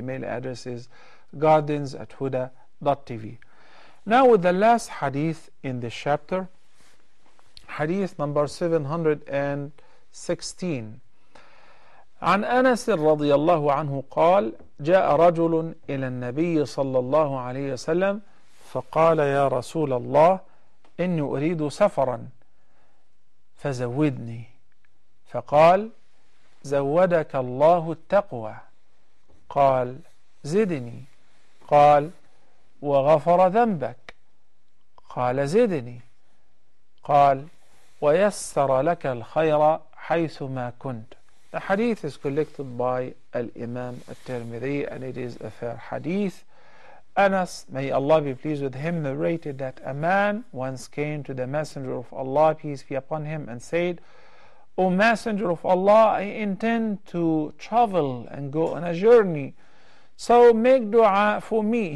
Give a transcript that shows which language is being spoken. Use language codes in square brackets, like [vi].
[en] The email address is gardens@huda.tv. Now, with the last hadith in this chapter, hadith number 716. [ar] عن أنس رضي الله عنه قال جاء رجل إلى النبي صلى الله عليه وسلم فقال يا رسول الله إني أريد سفرا فزودني فقال زودك الله التقوى قال زدني قال وغفر ذنبك قال زدني قال ويسر لك الخير حيثما كنت. [en] The hadith is collected by Al-Imam Al-Tirmidhi, and it is a fair hadith. Anas, may Allah be pleased with him, narrated that a man once came to the Messenger of Allah, peace be upon him, and said, O Messenger of Allah, I intend to travel and go on a journey, so make dua for me.